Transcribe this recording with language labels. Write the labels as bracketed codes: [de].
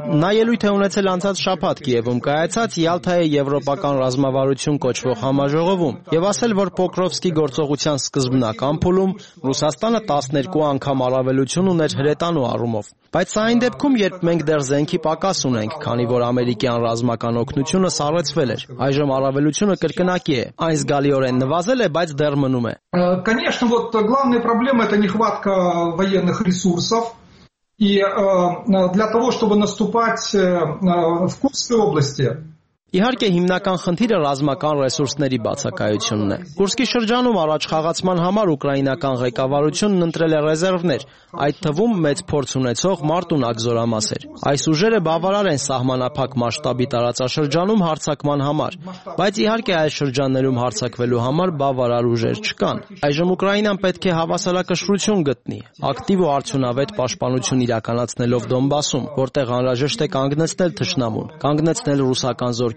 [hy] Նա ելույթ է ունեցել անցած շաբաթ Կիևում կայացած Յալթայի եվրոպական ռազմավարություն կոչվող համաժողովում եւ ասել, որ Պոկրովսկի գործողության սկզբնակ ամփուլում Ռուսաստանը 12 անգամ առավելություն ուներ հրետանու առումով։ Բայց այն դեպքում, երբ մենք դեռ զենքի պակաս ունենք, քանի որ ամերիկյան ռազմական օգնությունը սառեցվել էր, այժմ առավելությունը կրկնակի է, այս գալիորեն նվազել է, բայց դեռ մնում է։ [ru] Конечно, вот главная проблема это нехватка военных ресурсов. И для того, чтобы наступать в Курской области, [hy] իհարկե հիմնական խնդիրը ռազմական ռեսուրսների բացակայությունն է։ Կուրսկի շրջանում առաջխաղացման համար ուկրաինական ղեկավարությունն ընտրել է ռեզերվներ, այդ թվում մեծ փորձ ունեցող մարտունակ զորամասեր։ Այս ուժերը բավարար են սահմանափակ մասշտաբի տարածաշրջանում հարձակման համար, բայց իհարկե այս շրջաններում հարձակվելու համար բավարար ուժեր չկան։ Այժմ Ուկրաինան պետք է հավասարակշռություն գտնի, ակտիվ ու արդյունավետ պաշտպանություն իրականացնելով Դոնբասում, որտեղ անհրաժեշտ է կանգնեցնել թշնամուն, կանգնեցնել ռուսական զորքերը